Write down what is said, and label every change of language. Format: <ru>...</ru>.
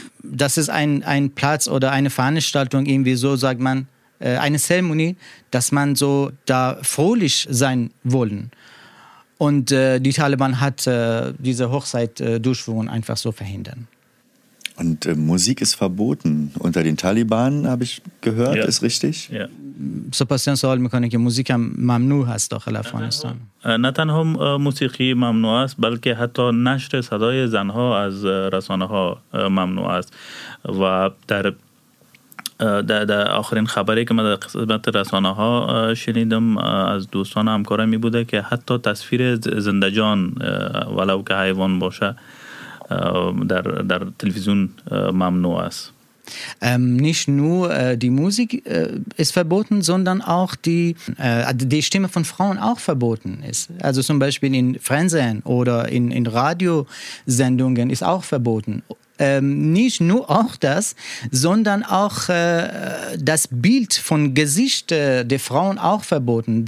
<de>Das ist ein Platz oder eine Veranstaltung, irgendwie so sagt man, eine Zeremonie, dass man so da fröhlich sein wollen. Und die Taliban hat diese Hochzeit-Durchführung einfach so verhindert. Und Musik ist verboten unter den Taliban, habe ich gehört, ist richtig? Ja.</de> <fa>سپاسیان سوال میکنه که موسیقی هم ممنوع هست داخل افغانستان. نه تنها موسیقی ممنوع است، بلکه حتی نشر صدای زنها از رسانه ها ممنوع است. و در آخرین خبری که من در قسمت رسانه ها شنیدم از دوستان همکارم می بوده که حتی تصویر زندجان ولو که حیوان باشه در تلویزیون ممنوع است.</fa> <de>nicht nur die Musik ist verboten, sondern auch die, die Stimme von Frauen auch verboten ist. Also zum Beispiel in Fernsehen oder in Radiosendungen ist auch verboten. Nicht nur auch das, sondern auch das Bild von Gesicht der Frauen auch verboten.</de>